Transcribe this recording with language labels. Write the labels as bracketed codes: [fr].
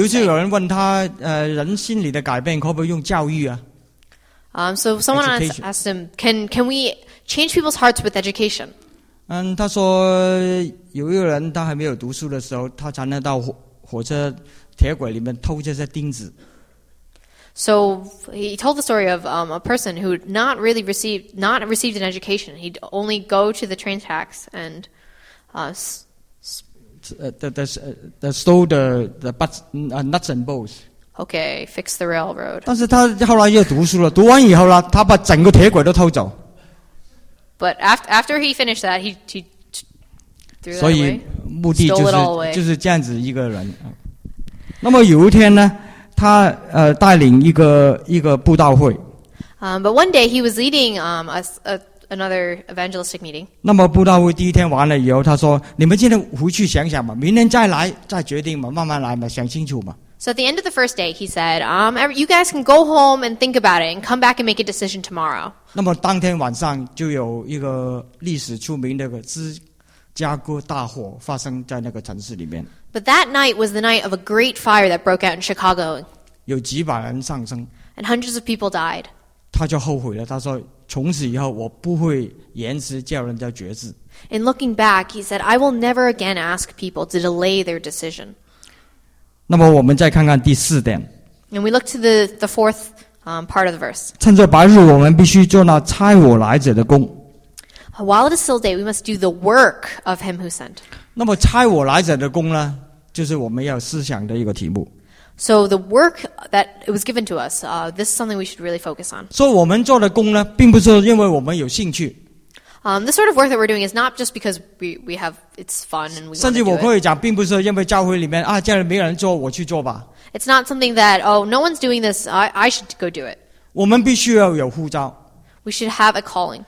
[zh] 有时有人问他，人心理的改变可不可以用教育啊？ [en] So someone asked him, can we change people's hearts with education? [zh] 他说有一个人他还没有读书的时候，他常常到火车铁轨里面偷这些钉子。 [en] So he told the story of a person who not received an education. He'd only go to the train tracks and stole the butts, nuts and bolts. Okay, fix the railroad. [zh] 但是他后来又读书了，读完以后呢，他把整个铁轨都偷走。 [en] But after he finished that, he threw that away. [zh] 所以目的就是这样子一个人。那么有一天呢？他带领一个布道会。 [en] But one day he was leading another evangelistic meeting. [zh] 那么布道会第一天完了以后，他说：“你们今天回去想想嘛，明天再来再决定嘛，慢慢来嘛，想清楚嘛。” [en] So at the end of the first day, he said, "You guys can go home and think about it, and come back and make a decision tomorrow." [zh] 那么当天晚上就有一个历史出名的芝加哥大火发生在那个城市里面。 [en] But that night was the night of a great fire that broke out in Chicago. [zh] 有几百人丧生。 [en] And hundreds of people died. [zh] 他就后悔了，他说，从此以后我不会延迟叫人家决志。 [en] And looking back, he said, I will never again ask people to delay their decision. [zh] 那么我们再看看第四点。 [en] And we look to the fourth part of the verse. [zh] 趁着白日，我们必须做那差我来者的工。 [en] While it is still day, we must do the work of him who sent. [zh] 那么差我来者的工呢，就是我们要思想的一个题目。 [en] So the work that it was given to us, this is something we should really focus on. [zh] 所以我们做的工呢，并不是因为我们有兴趣。 [en] The sort of work that we're doing is not just because we have it's fun and we want to do it. [zh] 甚至我可以讲，并不是因为教会里面啊，叫人没人做，我去做吧。 [en] It's not something that no one's doing this. I should go do it. [zh] 我们必须要有呼召。 [en] We should have a calling.